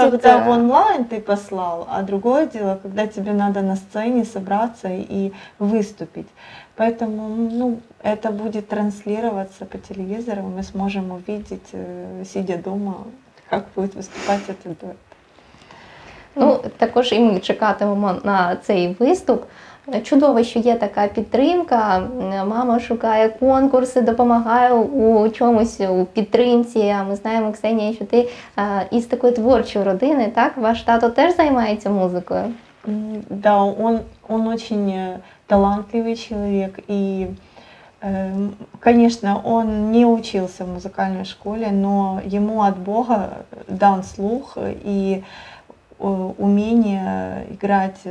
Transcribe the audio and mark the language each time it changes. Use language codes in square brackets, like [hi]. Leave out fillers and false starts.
[ru] Когда в онлайн ты послал, а другое дело, когда тебе надо на сцене собраться и выступить. Поэтому это будет транслироваться по телевизору, мы сможем увидеть, сидя дома, как будет выступать этот дуэт. [uk] Також і ми чекатимемо на цей виступ. Чудово, що є така підтримка. Мама шукає конкурси, допомагає у чомусь, у підтримці. А ми знаємо, Ксенія, що ти із такої творчої родини, так? Ваш тато теж займається музикою? [ru] Да, он очень талантливый человек, и, конечно, он не учился в музыкальной школе, но ему от Бога дан слух и умение играть.